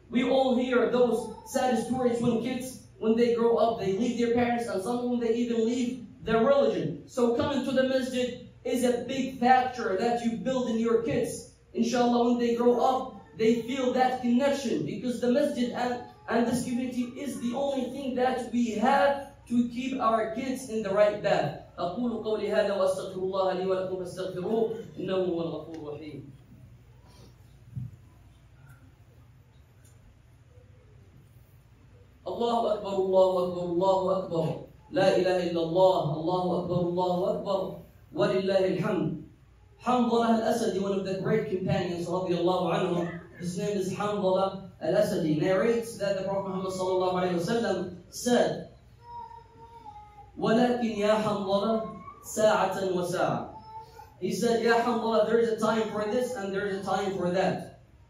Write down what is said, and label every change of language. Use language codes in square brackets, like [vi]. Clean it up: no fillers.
[en] We all hear those sad stories when kids, when they grow up, they leave their parents, and some of them, they even leave their religion. So coming to the masjid is a big factor that you build in your kids. Inshallah, when they grow up, they feel that connection, because the masjid and this community is the only thing that we have to keep our kids in the right path. [ar] أقول قولي هذا واستغفر الله لي ولكم فاستغفروه إنه هو الغفور الرحيم. الله أكبر الله أكبر الله أكبر لا إله إلا الله الله أكبر الله أكبر ولله الحمد. [en] Hanzalah al-Asadi, one of the great companions radiallahu anhu, his name is Hanzalah al-Asadi, narrates that the Prophet Muhammad sallallahu alayhi wa sallam said, [ar] وَلَكِنْ يَا حَنْظَلَ سَاعَةً وَسَاعَةً. [en] He said, يَا حَنْظَلَ, there is a time for this and there is a time for that.